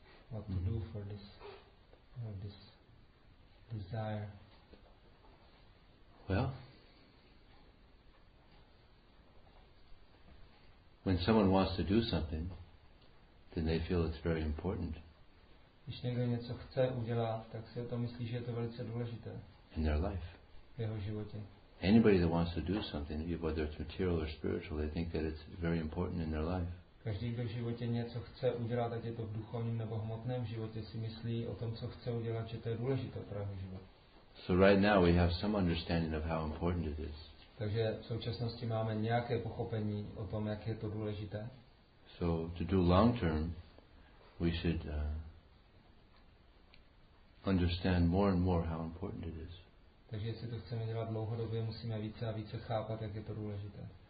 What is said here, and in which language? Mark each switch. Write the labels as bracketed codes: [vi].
[en] What to do for this, this desire? Well, when someone wants to do something, then they feel it's very important. [cs] Když někdo něco chce udělat, tak si o tom myslí, že je to velice důležité. [en] In their life. [cs] V jeho životě. [en] Anybody that wants to do something, whether it's material or spiritual, they think that it's very important in their life. [cs] Každý, kdo v životě něco chce udělat, ať je to v duchovním nebo hmotném životě, si myslí o tom, co chce udělat, že to je důležité pro jeho život. [en] So right now we have some understanding of how important it is. [cs] Takže v současnosti máme nějaké pochopení o tom, jak je to důležité. [en] So to do long term, we should understand more and more how important it is. [cs] Takže jestli to chceme dělat dlouhodobě, musíme více a více chápat, jak je to důležité.